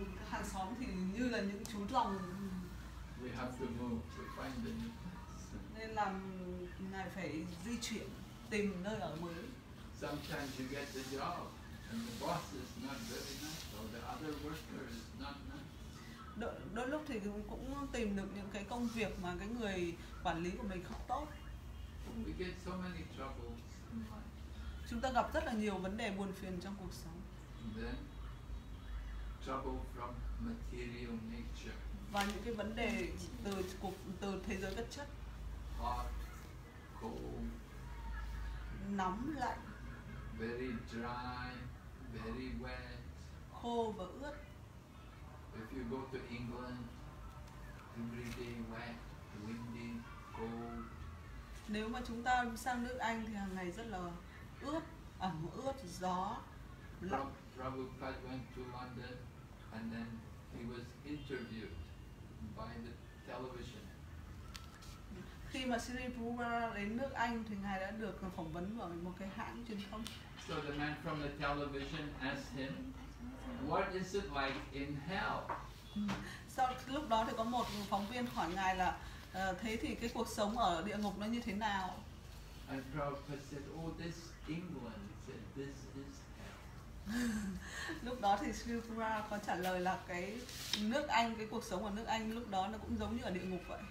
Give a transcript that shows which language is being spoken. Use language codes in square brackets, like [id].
[vi] Hàng xóm thì như là những chú rồng. [en] We have to move to find a new place. [vi] Nên là ngài phải di chuyển, tìm nơi ở mới. [en] Sometimes you get the job. And the boss is not very nice, or the other worker is not nice. [vi] Đôi lúc thì cũng tìm được những cái công việc mà cái người quản lý của mình không tốt. [en] We get so many troubles. [vi] Chúng ta gặp rất là nhiều vấn đề buồn phiền trong cuộc sống. [en] And then trouble from material nature. [vi] Và những cái vấn đề từ thế giới vật chất. [en] Hot, cold. [vi] Nóng lạnh. [en] Very dry, very wet. [vi] Khô và ướt. [en] If you go to England, every day wet, windy, cold. [vi] Nếu mà chúng ta sang nước Anh thì hàng ngày rất là ướt, ẩm ướt, gió, lạnh. [en] Prabhupada went to London and then he was interviewed by the television. [vi] Khi mà Sri Prabhupada đến nước Anh thì ngài đã được phỏng vấn bởi một cái hãng truyền thông. [en] So the man from the television asked him, "What is it like in hell?" [vi] Sau lúc đó thì có một phóng viên hỏi ngài là, thế thì cái cuộc sống ở địa ngục nó như thế nào? [en] And Prabhupada said, "Oh, this England, said, this is hell." [vi] Lúc đó thì Sri Prabhupada có trả lời là cái nước Anh, cái cuộc sống ở nước Anh lúc đó nó cũng giống như ở địa ngục vậy.